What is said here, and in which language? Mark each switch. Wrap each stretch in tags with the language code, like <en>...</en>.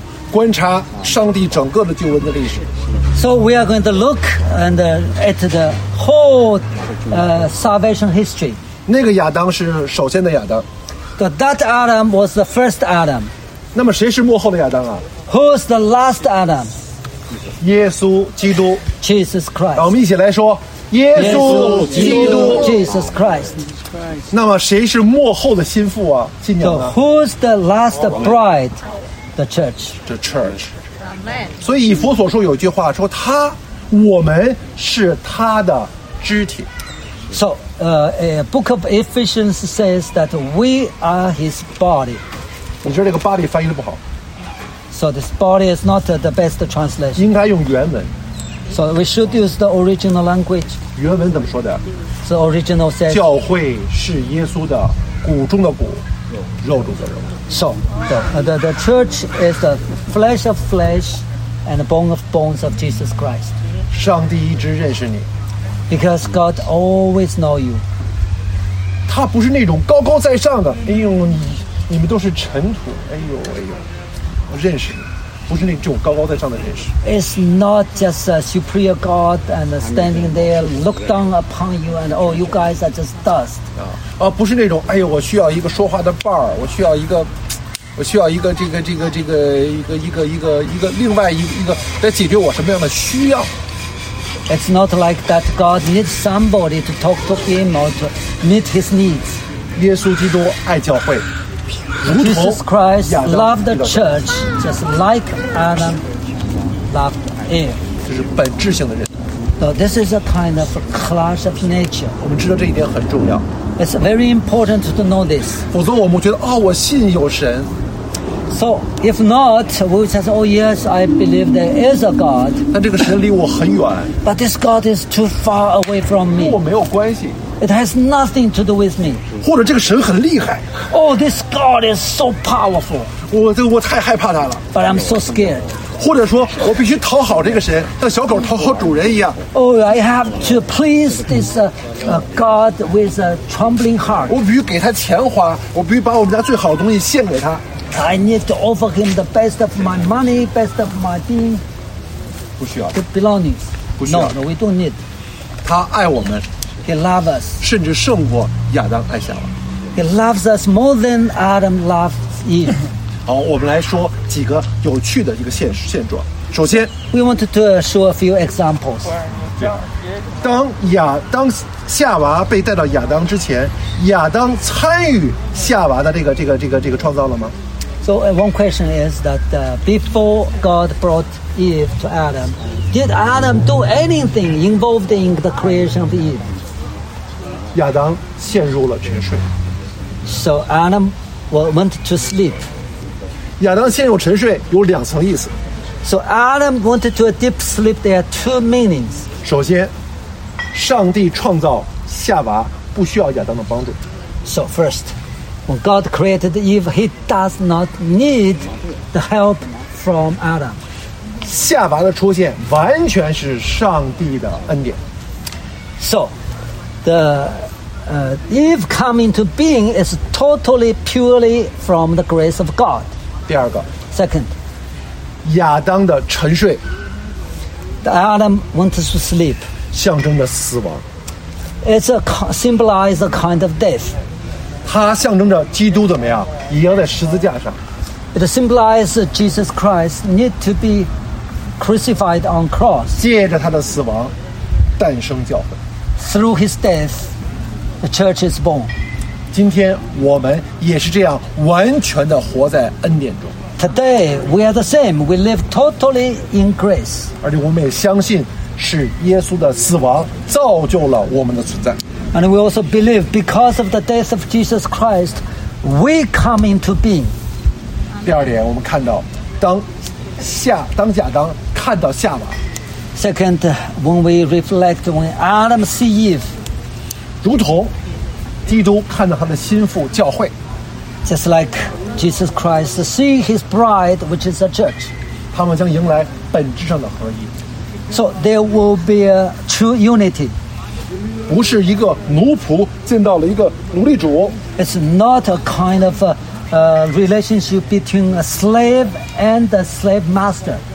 <zh>观察上帝整个的救恩的历史。</zh> <en>So we are going to look and at the whole salvation history.</en> <zh>那个亚当是首先的亚当。</zh> <en>So that Adam was the first Adam.</en> <zh>那么谁是末后的亚当啊</zh> <en>？Who's the last Adam?</en> <zh>耶稣基督。</zh> <en>Jesus Christ.</en> <zh>那我们一起来说，耶稣基督。</zh> <en>Jesus Christ.</en> <zh>那么谁是末后的新妇啊？新娘呢</zh> <en>？Who's the last bride? The church, the church.</en> <zh>所以以弗所书有句话说他，我们是他的肢体。</zh> <en>So, Book of Ephesians says that we are his body.</en> <zh>你说这个 body 翻译的不好。</zh> <en>So this body is not the best translation.</en> <zh>应该用原文。</zh> <en>So we should use the original language.</en> <zh>原文怎么说的</zh> <en>？The original says.</en> <zh>教会是耶稣的骨中的骨，肉中的肉。</zh> <en>So, the church is the flesh of flesh and the bone of bones of Jesus Christ.</en> <zh>上帝一直认识你。</zh> <en>Because God always knows you.</en> <zh>他不是那种高高在上的，哎呦，你们都是尘土，哎呦，我认识你，不是那种高高在上的认识。</zh> <en>It's not just a superior God and standing there, look down upon you and, oh, you guys are just dust.</en> <zh>不是那种，哎呦，我需要一个说话的伴儿，我需要一个这个一个另外一个来解决我什么样的需要。</zh> <en>It's not like that. God needs somebody to talk to him or to meet his needs.</en> <zh>耶稣基督爱教会，如同</zh> <en>Jesus Christ loved the church just like Adam loved Eve.</en> <zh>这是本质性的认识。</zh> <en>So this is a kind of a clash of nature.</en> <zh>我们知道这一点很重要。</zh> <en>It's very important to know this.</en> <zh>否则我们觉得啊、哦，我信有神。</zh> <en>So if not, we would say, "Oh yes, I believe there is a God."</en> <zh>但这个神离我很远。</zh> <en>But this God is too far away from me.</en> <zh>跟我没有关系。</zh> <en>It has nothing to do with me.</en> <zh>或者这个神很厉害。</zh> <en>Oh, this God is so powerful.</en> <zh>我太害怕他了。</zh> <en>But I'm so scared.</en> <zh>或者说我必须讨好这个神，像小狗讨好主人一样。</zh> <en>Oh, I have to please this God with a trembling heart.</en> <zh>我必须给他钱花，我必须把我们家最好的东西献给他。</zh> <en>I need to offer him the best of my money, best of my thing.</en> <zh>不需要。</zh> <en>The belongings.</en> <zh>不需要。</zh> <en>No, we don't need.</en> <zh>他爱我们。</zh> <en>He loves us.</en> <zh>甚至胜过亚当爱夏娃。</zh> <en>He loves us more than Adam loved Eve.</en> <zh>好，我们来说几个有趣的一个现状。首先</zh> <en>，We want to show a few examples。</en> <zh>当夏娃被带到亚当之前，亚当参与夏娃的这个创造了吗</zh> <en>？So one question is that before God brought Eve to Adam, did Adam do anything involved in the creation of Eve？</en> <zh>亚当陷入了沉睡。</zh> <en>So Adam went to sleep.</en> <zh>亚当陷入沉睡有两层意思。</zh> <en>So Adam went to a deep sleep. There are two meanings.</en> <zh>首先，上帝创造夏娃不需要亚当的帮助。</zh> <en>So first, when God created Eve, He does not need the help from Adam.</en> <zh>夏娃的出现完全是上帝的恩典。</zh> <en>So the Eve coming to being is totally purely from the grace of God.</en> <zh>第二个</zh> <en>，second，</en> <zh>亚当的沉睡</zh> <en>，Adam went to sleep，</en> <zh>象征着死亡</zh> <en>，it's a symbolize a kind of death，</en> <zh>它象征着基督怎么样，已经在十字架上</zh> <en>，it symbolizes Jesus Christ need to be crucified on cross，</en> <zh>借着他的死亡，诞生教会</zh> <en>，through his death， the church is born，</en> <zh>今天我们也是这样完全的活在恩典中。</zh> <en>Today we are the same. We live totally in grace.</en> <zh>而且我们也相信是耶稣的死亡造就了我们的存在。</zh> <en>And we also believe because of the death of Jesus Christ, we come into being.</en> <zh>第二点，我们看到当亚当看到夏娃。</zh> <en>Second, when we reflect when Adam see Eve,</en> <zh>如同基督看到他的心腹教会。</zh> <en>Just like. Jesus Christ see his bride which is a church.</en> <zh>他们将迎来本质上的合一。</zh> <en>So there will be a true unity.</en> <zh>不是一个奴仆见到了一个奴隶主。</zh> <en>It's not a kind of a relationship between a slave and a slave master.</en>